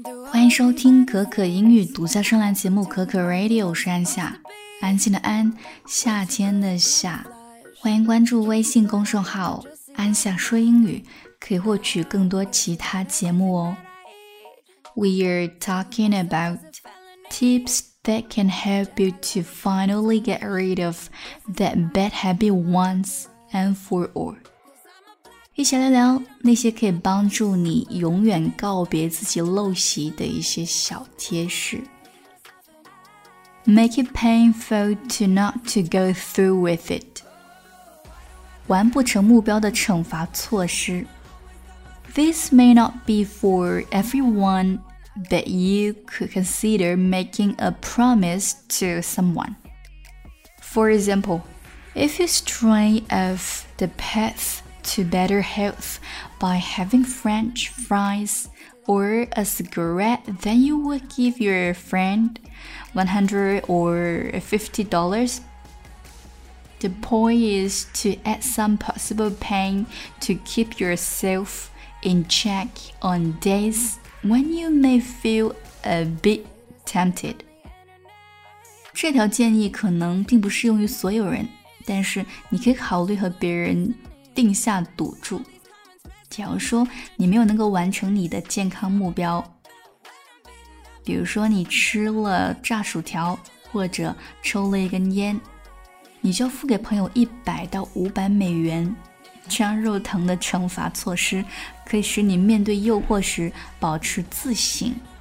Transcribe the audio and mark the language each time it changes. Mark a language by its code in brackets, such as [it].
[zh] 欢迎收听可可英语独家专栏节目可可 Radio， 我是安夏，安静的安，夏天的夏。欢迎关注微信公众号安夏说英语，可以获取更多其他节目哦。 [en] We are talking about tips that can help you to finally get rid of that bad habit once and for all。 [zh] 一起来聊那些可以帮助你永远告别自己陋习的一些小贴士。 [en] Make it painful to not to go through with it. [zh] 完不成目标的惩罚措施。 [en] This may not be for everyone, but you could consider making a promise to someone. For example, if you stray off the path to better health by having French fries or a cigarette, then you would give your friend $100 or $50. The point is to add some possible pain to keep yourself in check on days when you may feel a bit tempted. [zh] 这条建议可能并不适用于所有人，但是你可以考虑和别人定下赌注。假如说你没有能够完成你的健康目标，比如说你吃了炸薯条或者抽了一根烟，你就付给朋友$100到$500，这样肉疼的惩罚措施可以使你面对诱惑时保持自省。